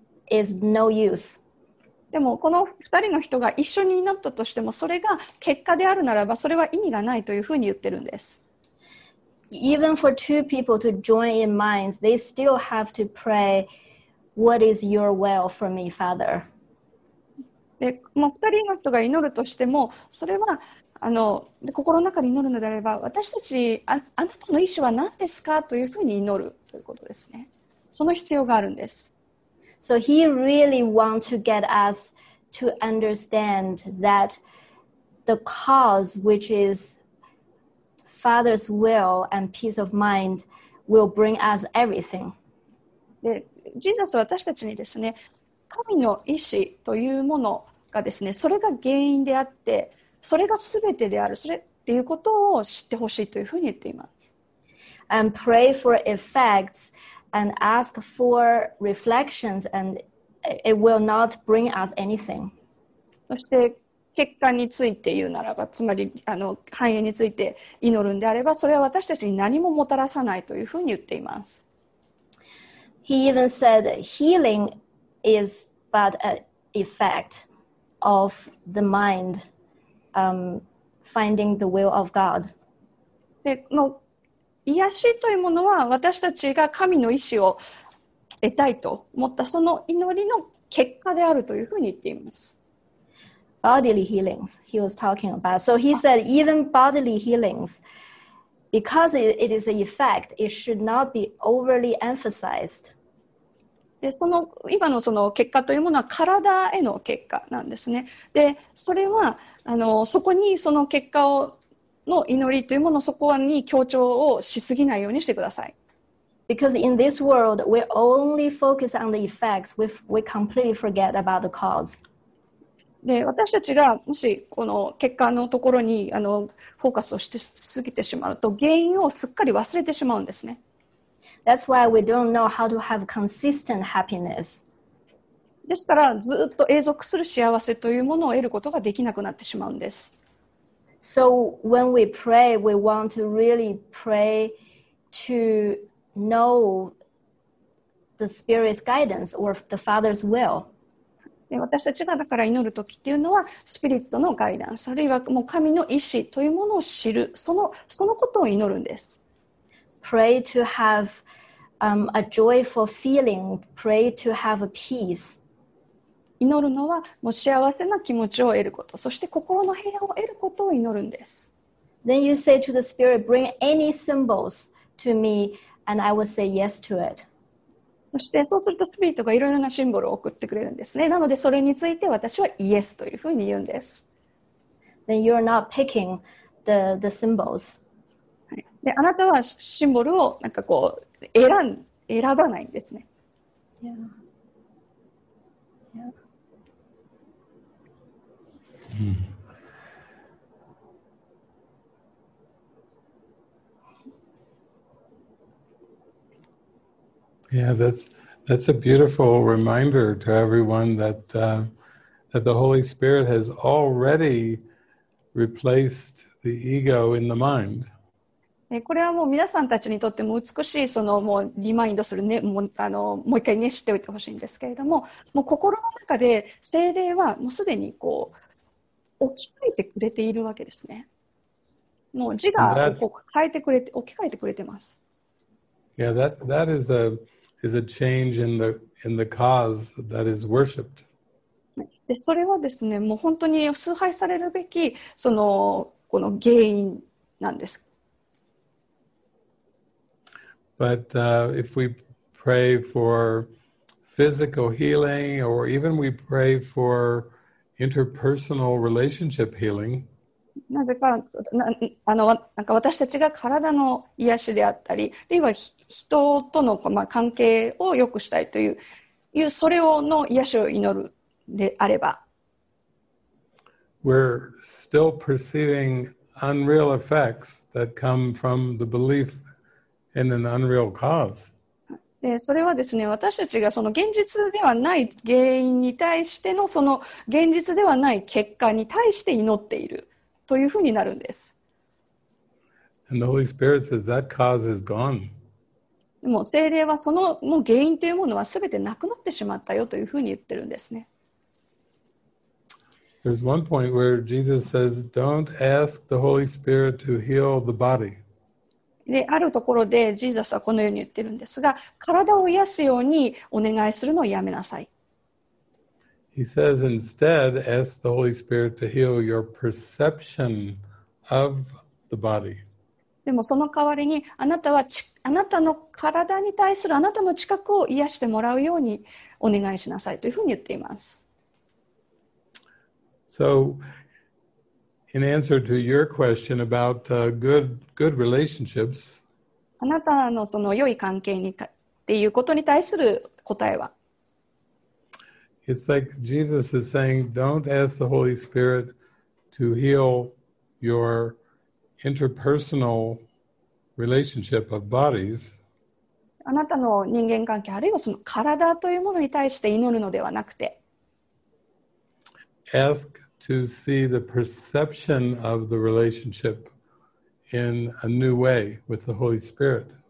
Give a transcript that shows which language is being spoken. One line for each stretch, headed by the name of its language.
English: Is no use.
Japanese: でもこの2人の人が一緒に祈ったとしてもそれが結果であるならばそれは意味がないというふうに言ってるんです。
English: Even for two people to join in minds, they still have to pray, "What is your will for me, Father?"
Japanese: で、もう2人の人が祈るとしてもそれは心の中で祈るのであれば私たち あなたの意思は何ですかというふうに祈るということですね。その必要があるんです。
English: So he really wants to get us to understand that the cause, which is Father's will and peace of mind, will bring us everything.
Japanese: で、ジーザスは私たちにですね、神の意思というものがですね、それが原因であって、それが全てである、それっていうことを知ってほしいというふうに言っています。
English: And pray for effects. And ask for reflections, and it will not bring us anything.
Japanese: そして結果について言うならば、つまり繁栄について祈るんであれば、それは私たちに何ももたらさないというふうに言っています。
English: He even said healing is but an effect of the mind, finding the will of God.
Japanese: で、もう癒しというものは私たちが神の意思を得たいと思ったその祈りの結果であるというふうに言っています。
English: Bodily healings, he was talking about. So he said, even bodily healings, because it is an effect, it should not be overly emphasized.
Japanese: で、その今のその結果というものは体への結果なんですね。で、それはそこにその結果をの祈りというものそこに強調をしすぎないようにしてください。
English: Because in this world, we only focus on the effects, we completely forget about the cause.
Japanese: で、私たちがもしこの結果のところにフォーカスをしすぎてしまうと、原因をすっかり忘れてしまうんですね。
English: That's why we don't know how to have consistent happiness.
Japanese: ですから、ずっと永続する幸せというものを得ることができなくなってしまうんです。
English: So when we pray, we want to really pray to know the Spirit's guidance or the Father's will.
Japanese: 私たちがだから祈るときっていうのは、スピリットのガイダンス、あるいはもう神の意思というものを知る、そのことを祈るんです。
English: Pray to have a joyful feeling, pray to have a peace.
Japanese: 祈るのはもう幸せな気持ちを得ること、そして心の平和を得ることを祈るんです。
English: Then you say to the spirit, bring any symbols to me, and I will say yes to it.
Japanese: そしてそうするとスピリットがいろいろなシンボルを送ってくれるんですね。なのでそれについて私はイエスというふうに言うんです。
English: Then you're not picking the symbols.
Japanese: で、あなたはシンボルをなんかこう 選ばないんですね。
English: Yeah. Yeah. Yeah, that's a beautiful reminder to everyone that that the Holy Spirit has already replaced the ego in the mind.
Japanese: これはもう皆さんたちにとっても美しいそのもうリマインドする、ね、もう一回ね知っておいてほしいんですけれども、もう心の中で聖霊はもうすでにこう置き換えてくれているわけですね。もう自我をこう変えてくれて置き換えてくれてます。
English: Yeah, that is a change in the cause that is worshipped.
Japanese: でそれはですね、もう本当に崇拝されるべきそのこの原因なんです。
English: But if we pray for physical healing, or even we pray for interpersonal relationship healing,
Japanese: なぜか、なんか私たちが体の癒しであったり、あるいは人との、まあ、関係を良くしたいという、それをの癒しを祈るであれば、
English: we're still perceiving unreal effects that come from the belief. And an unreal cause.
Japanese: でそれはですね、私たちがその現実ではない原因に対してのその現実ではない結果に対して祈っているというふうになるんです。
English: And the Holy Spirit says that cause is gone.
Japanese: でも聖霊はそのもう原因というものはすべてなくなってしまったよというふうに言ってるんですね。
English: There's one point where Jesus says, "Don't ask the Holy Spirit to heal the body."
Japanese: であるところでジーザスはこのように言ってるんですが、体を癒すようにお願いするのをやめなさい。
English: He says instead, ask the Holy Spirit to heal your perception of the body.
Japanese: でもその代わりに、あなたの体に対するあなたの知覚を癒してもらうようにお願いしなさいというふうに言っています。
English: So,In answer to your question about good relationships,
Japanese: あなたのその良い関係にかっていうことに対する答えは、
English: It's like Jesus is saying, don't ask the Holy Spirit to heal your interpersonal relationship of bodies.
Japanese: あなたの人間関係あるいはその体というものに対して祈るのではなくて、
English: ask. To see the perception of the relationship in a new way with the Holy Spirit.